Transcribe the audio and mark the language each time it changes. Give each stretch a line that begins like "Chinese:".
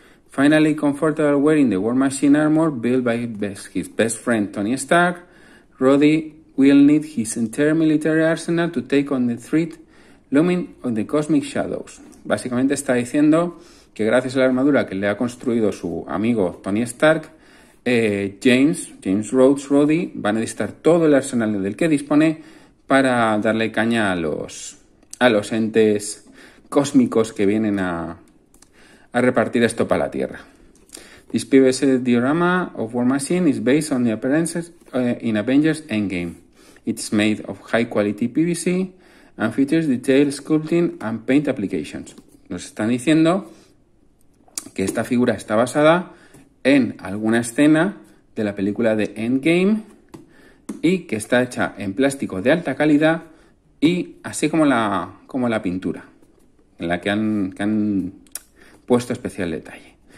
English: Finally comfortable wearing the War Machine armor built by his best friend Tony Stark. Roddy will need his entire military arsenal to take on the threat Looming of the Cosmic Shadows.
Spanish: Básicamente está diciendo que gracias a la armadura que le ha construido su amigo Tony Stark, James Rhodes, Roddy, va a necesitar todo el arsenal del que dispone para darle caña a los entes cósmicos que vienen a repartir esto para la Tierra.
English: This PVC diorama of War Machine is based on the appearances in Avengers Endgame. It's made of high quality PVC and features detailed sculpting and paint applications.
Spanish: Nos están diciendo que esta figura está basada en alguna escena de la película de Endgame y que está hecha en plástico de alta calidad y así como la pintura, en la que han puesto especial detalle.